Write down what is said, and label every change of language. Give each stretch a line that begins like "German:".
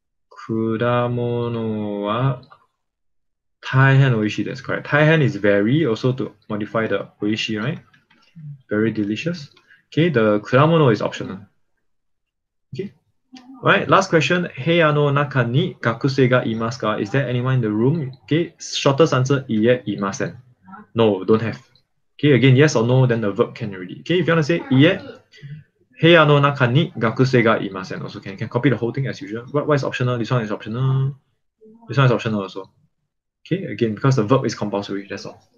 Japanese: 果物は 大変美味しいです.
English: Correct. 大変 is very, also to modify the 美味し, right? Very delicious. Okay, the 果物 is optional. Okay. Right, last question.
Japanese: 部屋の中に学生がいますか?
English: Is there anyone in the room? Okay, shortest answer,
Japanese: いえ、いません.
English: No, don't have. Okay, again, yes or no, then the verb can already. Okay, if you want to say,
Japanese: いえ, 部屋の中に学生がいません.
English: Also, can copy the whole thing as usual. What is optional? This one is optional. This one is optional also. Okay, again, because the verb is compulsory, that's all.